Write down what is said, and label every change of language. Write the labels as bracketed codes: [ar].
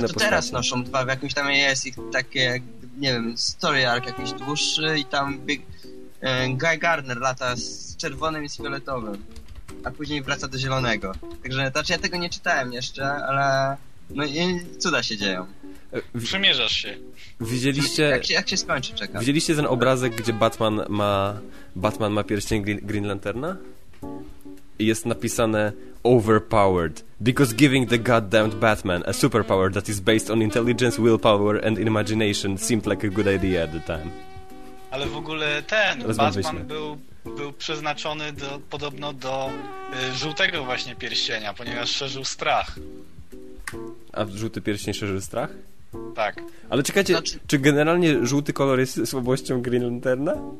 [pl] postaci. Ale to teraz noszą dwa, w jakimś tam jest ich takie, nie wiem, story arc jakiś dłuższy i tam Guy Gardner lata z czerwonym i z fioletowym, a później wraca do zielonego. Także, znaczy ja tego nie czytałem jeszcze, ale no i cuda się dzieją. Przymierzasz się. Widzieliście... Jak się skończy, czekam. Widzieliście ten obrazek, gdzie Batman ma pierścień Green Lanterna? I jest napisane [en] overpowered, because giving the goddamned Batman a superpower that is based on intelligence, willpower and imagination seemed like a good idea at the time. [pl] Ale w ogóle ten Batman był przeznaczony podobno do żółtego właśnie pierścienia, ponieważ szerzył strach. A żółty pierścień szerzył strach? Tak. Ale czekajcie, czy generalnie żółty kolor jest słabością Green Lanterna?